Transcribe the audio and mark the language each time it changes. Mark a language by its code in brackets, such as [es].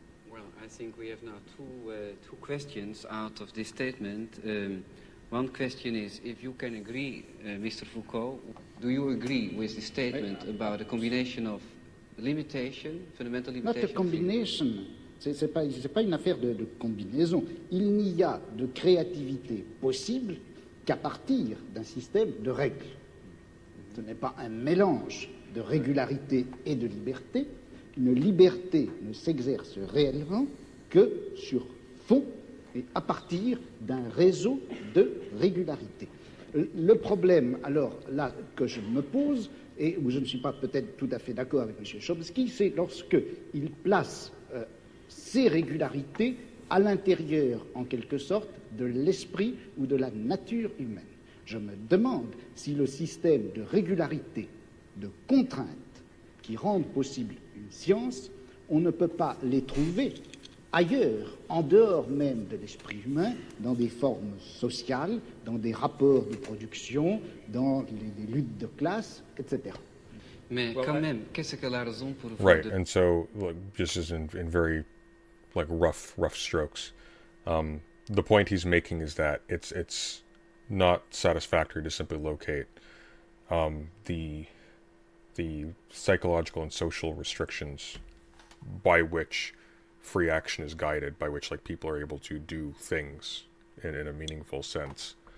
[en] Well, I think we have now two questions out of this statement. One question is, if you can agree, Mr. Foucault, do you agree with the statement about a combination of limitation, fundamental limitation? Not a combination. [fr] C'est pas une affaire de combinaison. Il n'y a de créativité possible qu'à partir d'un système de règles. Ce n'est pas un mélange de régularité et de liberté. Une liberté ne s'exerce réellement que sur fond et à partir d'un réseau de régularité. Le problème, alors, là, que je me pose, et où je ne suis pas peut-être tout à fait d'accord avec M. Chomsky, c'est lorsque il place ces régularités à l'intérieur, en quelque sorte, de l'esprit ou de la nature humaine. Je me demande si le système de régularité, de contraintes qui rendent possible une science, on ne peut pas les trouver ailleurs, en dehors même de l'esprit humain, dans des formes sociales, dans des rapports de production, dans les luttes de classe, etc. Mais well, quand même, qu'est-ce que la raison pour... [en] Right, and so, look, this is in very, like, rough strokes. The point he's making is that it's not satisfactory to simply locate the psychological and social restrictions by which free action is guided, by which, like, people are able to do things in a meaningful sense,